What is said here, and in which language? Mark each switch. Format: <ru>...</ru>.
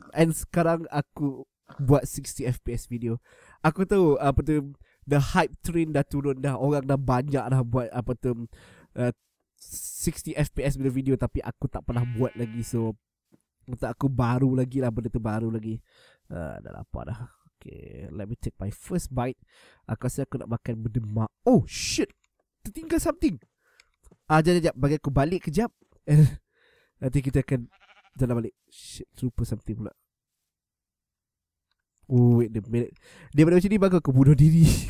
<en>And</en> <ms>sekarang aku buat 60fps video. Aku tahu apa tu,</ms> <en>the hype train</en> <ms>dah turun dah. Orang dah banyak dah buat apa tu 60fps video. Tapi aku tak pernah buat lagi. So untuk aku baru lagi lah, benda tu baru lagi. Dah lapar dah.</ms> <en>Okay, let me take my first bite.</en> <ms>Aku rasa aku nak makan berdemak.</ms> <en>Oh shit,</en> <ms>tertinggal</ms> <en>something.</en> <ms>Jap, bagi aku balik kejap. Nanti kita akan jalan balik.</ms> <en>Shit,</en> <ms>terlupa</ms> <en>something</en> <ms>pula.</ms> <en>Wait a minute.</en> <ms>Daripada macam ni, bagus aku bunuh diri.</ms>